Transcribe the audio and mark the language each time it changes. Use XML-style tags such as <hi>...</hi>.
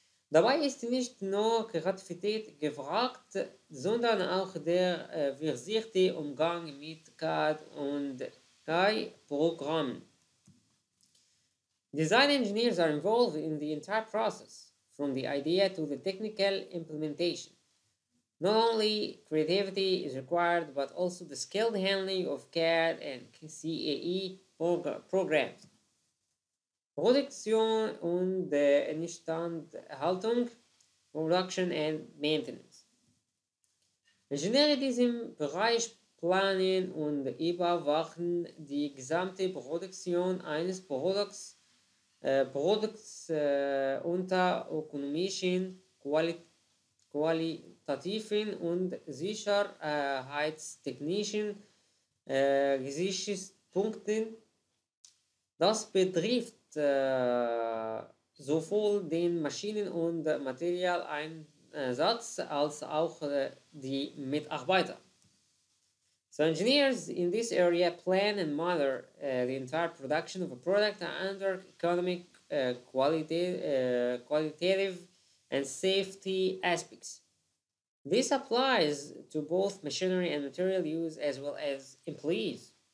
<de>Dabei ist nicht nur Kreativität gefragt, sondern auch der versierte Umgang mit CAD und CAI-Programmen.</de> <en>Design engineers are involved in the entire process, from the idea to the technical implementation. Not only creativity is required, but also the skilled handling of CAD and CAE programs.</en> <de>Produktion und Instandhaltung,</de> <en>Production and Maintenance.</en> <de>Ingenieure in diesem Bereich planen und überwachen die gesamte Produktion eines Produkts, unter ökonomischen, qualitativen und sicherheitstechnischen Gesichtspunkten. Das betrifft sowohl den Maschinen- und Materialeinsatz als auch die Mitarbeiter.</de> <en>So engineers in this area plan and monitor the entire production of a product under economic qualitative and safety aspects. This applies to both machinery and material use as well as employees.</en>